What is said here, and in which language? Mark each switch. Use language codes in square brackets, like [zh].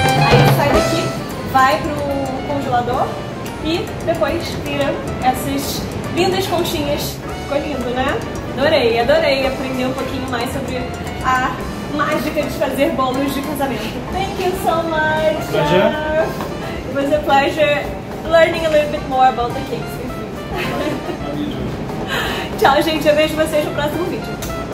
[pt] Aí ele sai daqui, vai pro congelador e depois tira essas lindas conchinhas. Ficou lindo, né? Adorei, adorei aprender um pouquinho mais sobre a mágica de fazer bolos de casamento. [en] Thank you so much! Pleasure! It was a pleasure learning a little bit more about the cakes. How are you doing? [pt] Tchau, gente! Eu vejo vocês no próximo vídeo.